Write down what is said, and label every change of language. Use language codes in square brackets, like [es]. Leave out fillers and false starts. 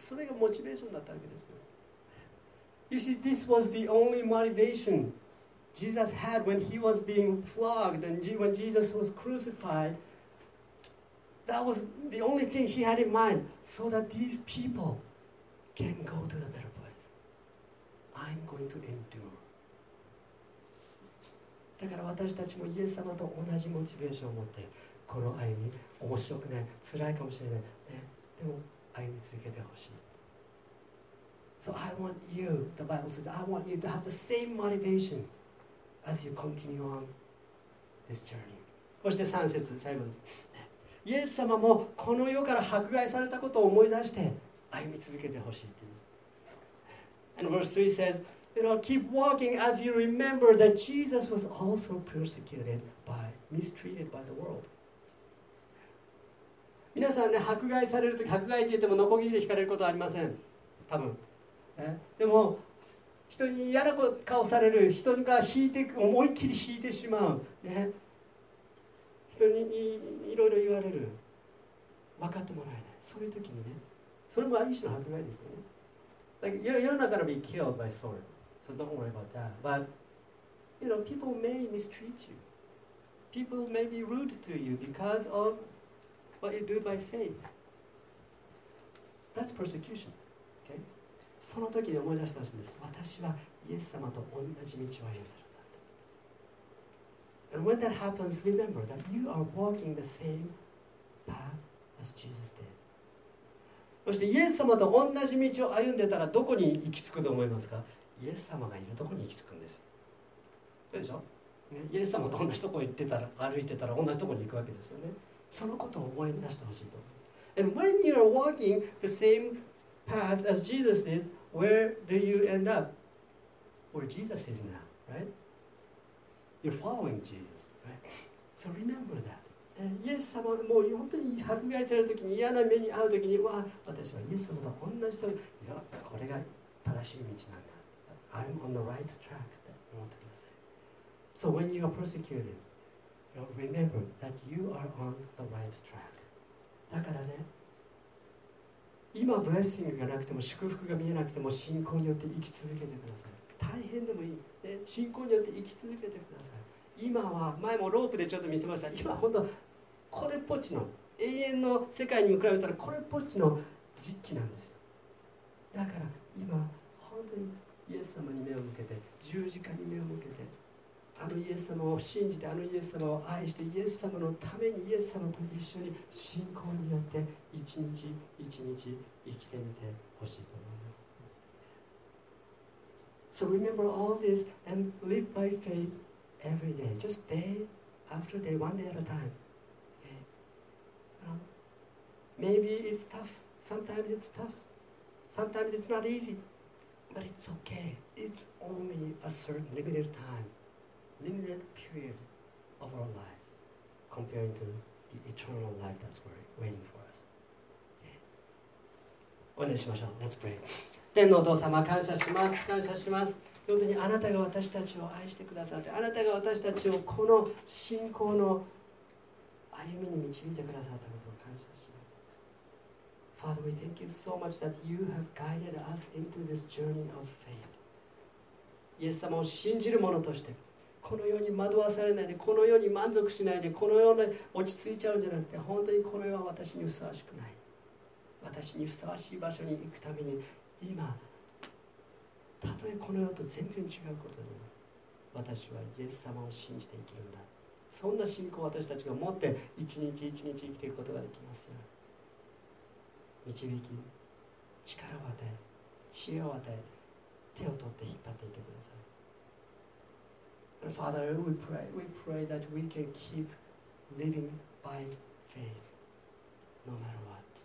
[ja] それがモチベーションだったわけですよ。 [en] You see, this was the only motivation Jesus had when he was being flogged and when Jesus was crucified. That was the only thing he had in mind so that these people can go to the better place. I'm going to endure. [ja] だから私たちもイエス様と同じモチベーションを持ってこの歩み、面白くない、辛いかもしれない、ね、でも歩み続けてほしい。 [en] So I want you, the Bible says, I want you to have the same motivation as you continue on this journey. [ja] そして3節、最後です。イエス様もこの世から迫害されたことを思い出して歩み続けてほしいって言うんです。 [en] And verse 3 says, you know, keep walking as you remember that Jesus was also persecuted by, mistreated by the world. [ja] 皆さんね、迫害されるとき、迫害って言ってもノコギリで引かれることはありません。多分。でも人に嫌な顔される、人が引いて思いっきり引いてしまう、ね、人にいろいろ言われる、分かってもらえない、そういう時にね、それも一種の迫害ですよね。 [en] Like, you're not gonna be killed by sword, so don't worry about that. But you know, people may mistreat you. People may be rude to you because of what you do by faith. That's persecution. [ja] その時に思い出してほしいんです。私はイエス様と同じ道を歩んでるんだ。 [en] And when that happens, remember that you are walking the same path as Jesus did. [ja] そしてイエス様と同じ道を歩んでたらどこに行き着くと思いますか？イエス様がいるところに行き着くんです。でしょ？ね、イエス様と同じところ行ってたら、歩いてたら同じところに行くわけですよね。そのことを思い出してほしいと思います。 [en] And when you are walking the same path as Jesus did, where do you end up? Where Jesus is now, right? You're following Jesus, right? So remember that. [ja] イエス様がもう本当に迫害されるときに、嫌な目に遭うときに、わあ、私はイエス様と同じと、これが正しい道なんだ。 [en] I'm on the right track, [ja] って思ってください。 [en] So when you are persecuted, remember that you are on the right track. [ja] だからね、今ブレッシングがなくても祝福が見えなくても信仰によって生き続けてください。大変でもいい、ね、信仰によって生き続けてください。今は、前もロープでちょっと見せました、今は本当これっぽっちの永遠の世界に比べたらこれっぽっちの時期なんですよ。だから今本当にイエス様に目を向けて、十字架に目を向けて、あのイエス様を信じて、あのイエス様を愛して、イエス様のためにイエス様と一緒に信仰によって一日一日生きてみてほしいと思います。 [en] So remember all this and live by faith every day, just day after day, one day at a time. Maybe it's tough, sometimes it's tough, sometimes it's not easy, but it's okay. It's only a certain limited time. Limited period of our lives compared to the eternal life that's waiting for us. [ja] お願いしましょう。 [en] Let's pray. [ja] 天のお父様、感謝します。感謝します。本当にあなたが私たちを愛してくださって、あなたが私たちをこの信仰の歩みに導いてくださったことを感謝します。 [en] Father, we thank you so much that you have guided us into this journey of faith. [ja] イエス様を信じる者としてこの世に惑わされないで、この世に満足しないで、この世に落ち着いちゃうんじゃなくて、本当にこの世は私にふさわしくない。私にふさわしい場所に行くために、今、たとえこの世と全然違うことでも、私はイエス様を信じて生きるんだ。そんな信仰を私たちが持って、一日一日生きていくことができますよ。導き、力を与え、知恵を与え、手を取って引っ張っていってください。 [en] Father, we pray that we can keep living by faith, no matter what.